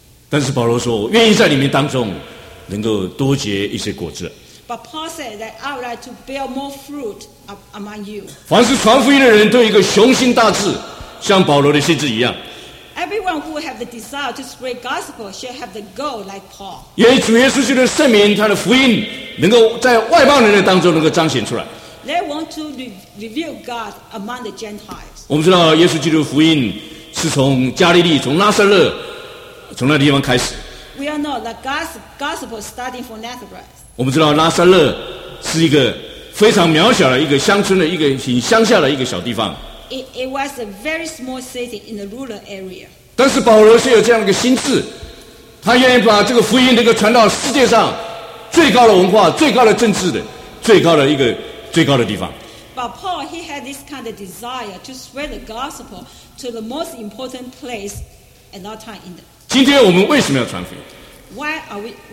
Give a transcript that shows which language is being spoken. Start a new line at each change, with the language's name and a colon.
Chinese: 但是保罗说，愿意在里面当中能够多结一些果子。
English: But Paul said that I would like to bear more fruit among you.
Chinese: 凡是传福音的人都有一个雄心大志，像保罗的心志一样。
English: Everyone who have the desire to spread gospel should have the goal like Paul.
Chinese: 愿主耶稣基督的圣名，他的福音能够在外邦人的当中能够彰显出来。
English: They want to reveal God among the Gentiles.
Chinese: 我们知道耶稣基督的福音是从加利利，从拉撒勒，从那地方开始。
English: We all know that God's gospel starting from Nazareth.
Chinese: 我们知道拉撒勒是一个非常渺小的一个乡村的一个很乡下的一个小地方。
English: It was a very small city in the rural area.
Chinese: 但是保罗是有这样的一个心志，他愿意把这个福音能够传到世界上最高的文化、最高的政治的最高的一个最高的地方。
English: But Paul, he had this kind of desire to spread the gospel to the most important place at that time in the.
Chinese: 今天我们为什么要传福音